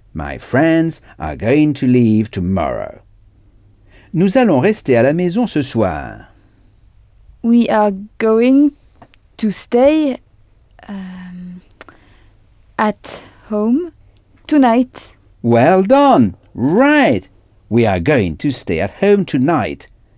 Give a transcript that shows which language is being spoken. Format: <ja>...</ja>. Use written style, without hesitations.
<en>My friends are going to leave tomorrow.</en> <fr>Nous allons rester à la maison ce soir.</fr> <en>We are going to stay at home tonight. Well done. Right. We are going to stay at home tonight.</en>